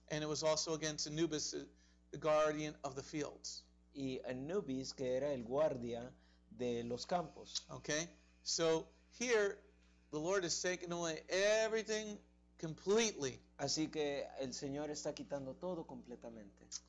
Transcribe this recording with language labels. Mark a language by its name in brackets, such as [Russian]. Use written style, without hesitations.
[English] And it was also against Anubis, the guardian of the fields. [Spanish] y Anubis, que era el guardia de los campos. [English] Okay, so here the Lord has taken away everything completely. [Spanish] Así que el Señor está quitando todo completamente.